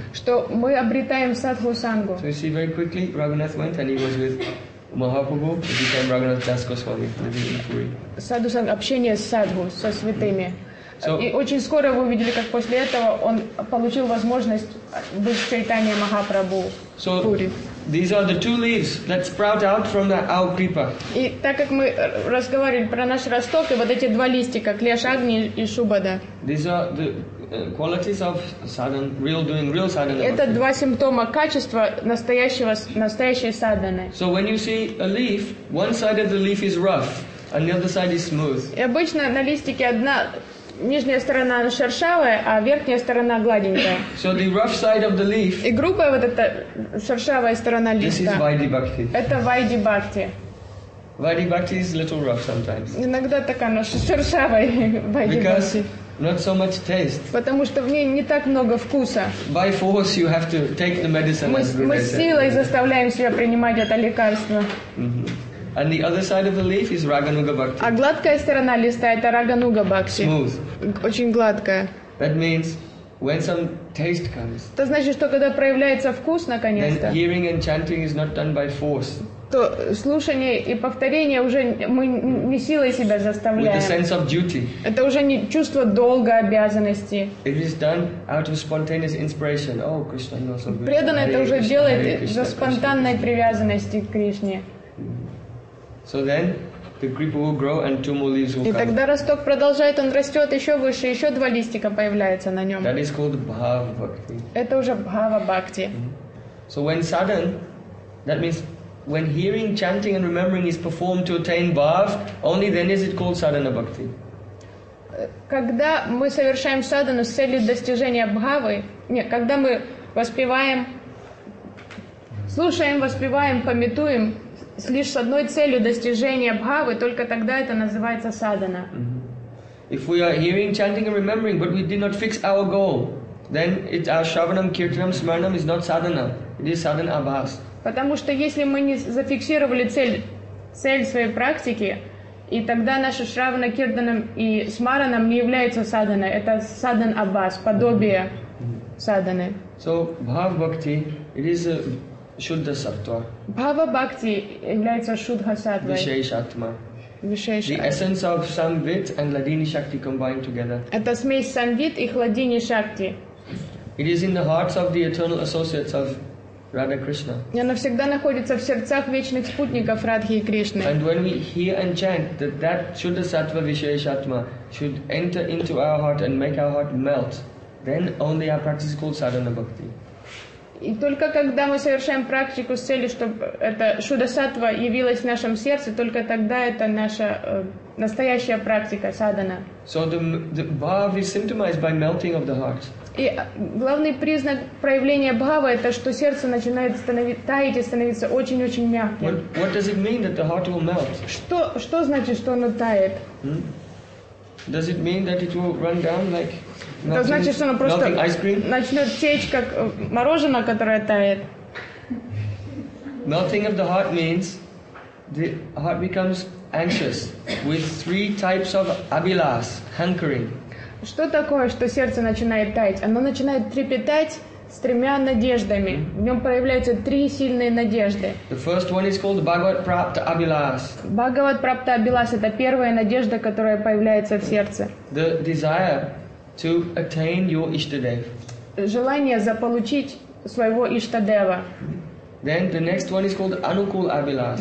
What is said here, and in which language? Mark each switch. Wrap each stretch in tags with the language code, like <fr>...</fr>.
<ru>Что мы обретаем садху сангу.</ru> <en>So you see very quickly, Raghunath went and he was with Mahaprabhu, he became Raghunath Das Goswami, living in Puri.</en> <ru>Садху сангха, общение с садху, со святыми. So, и очень скоро вы увидели, как после этого он получил возможность быть в Чайтанье Махапрабху в</ru> <en>so,</en> <ru>Пури.</ru> <en>These are the two leaves that sprout out from the our kripa.</en> <ru>И так как мы разговаривали про наш росток и вот эти два листика, клеш агни и шубада.</ru> <en>These are the qualities of sadhan, real doing, real sadhan.</en> <ru>Это два симптома качества настоящей садханы.</ru> <en>So when you see a leaf, one side of the leaf is rough and the other side is smooth.</en> <ru>И обычно на листике одна нижняя сторона шершавая, а верхняя сторона гладенькая.</ru> <en>So the rough side of the leaf,</en> <ru>и грубая вот эта шершавая сторона листа. Это вайди бхакти.</ru> <en>Вайди бхакти is little rough sometimes.</en> <ru>Иногда такая, но шершавая вайди бхакти.</ru> <en>Not so much taste.</en> <ru>Потому что в ней не так много вкуса.</ru> <en>By force you have to take the medicine.</en> <ru>Мы силой заставляем себя принимать это лекарство.</ru> <en>And the other side of the leaf is Raganuga Bhakti.</en> <ru>А гладкая сторона листа это Raganuga Bhakti.</ru> <en>Smooth.</en> <ru>Очень гладкая.</ru> <en>That means when some taste comes.</en> <ru>Это значит, что когда проявляется вкус наконец-то.</ru> <en>Then hearing and chanting is not done by force.</en> <ru>То слушание и повторение уже мы не силой себя заставляем.</ru> <en>With the sense of duty.</en> <ru>Это уже не чувство долга, обязанности.</ru> <en>It is done out of spontaneous inspiration. Oh, Krishna, you are so good.</en> <ru>Преданное это уже делает из-за спонтанной привязанности к Кришне.</ru> <en>So then, the kripa will grow, and two more leaves will</en> <ru>и</ru> <en>come.</en> <ru>И тогда росток продолжает, он растет еще выше, еще два листика появляются на нем.</ru> <en>That is called bhava bhakti.</en> <ru>Это уже bhava bhakti.</ru> <en>So when sadhan, that means when hearing, chanting, and remembering is performed to attain bhava, only then is it called sadhana bhakti.</en> <ru>Когда мы совершаем садхану с целью достижения бхавы, нет, когда мы воспеваем, слушаем, воспеваем, памятуем. Лишь с одной целью достижения бхавы, только тогда это называется садхана.</ru> <en>If we are hearing, chanting and remembering, but we did not fix our goal, then it's our shravanam, kirtanam, smaranam is not sadhana, it is sadhana abhas.</en> <ru>Потому что если мы не зафиксировали цель своей практики, и тогда наше шравана, киртанам и смаранам не является садхана, это садхан абхас, подобие садханы.</ru> <en>So, bhava bhakti, it is a Shuddha Sattva.</en> <ru>Bhava Bhakti является Shuddha Sattva.</ru> <en>Vishesh Atma. Vishesh the essence of Samvit and Ladini Shakti combined together.</en> <ru>Это смесь Самвит и Хладини Шакти.</ru> <en>It is in the hearts of the eternal associates of Radha Krishna.</en> <ru>И она всегда находится в сердцах вечных спутников Радхи и Кришны.</ru> <en>And when we hear and chant that Shuddha Sattva Vishesh Atma should enter into our heart and make our heart melt, then only our practice is called Sadhana Bhakti.</en> <ru>И только когда мы совершаем практику с целью, чтобы это чудо-саттва явилось в нашем сердце, только тогда это наша настоящая практика, садхана.</ru> <en>So the bhava is symptomized by melting of the heart.</en> <ru>И главный признак проявления бхавы это, что сердце начинает таять и становиться очень-очень мягким.</ru> <en>What does it mean that the heart will melt?</en> <ru>Что значит, что оно тает?</ru> <en>Does it mean that it will run down like melting,</en> <ru>это значит, что оно просто начнет течь, как мороженое, которое тает?</ru> <en>Melting of the heart means the heart becomes anxious with three types of abhilas, hankering.</en> <ru>Что такое, что сердце начинает таять? Оно начинает трепетать с тремя надеждами. В нем проявляются три сильные надежды.</ru> <en>The first one is called Bhagavat Prapta Abhilas.</en> <ru>Bhagavat Prapta Abhilas — это первая надежда, которая появляется в сердце.</ru> <en>The desire to attain your Ishtadev.</en> <ru>Желание заполучить своего Ishtadeva.</ru> <en>Then the next one is called Anukul Abhilas.</en>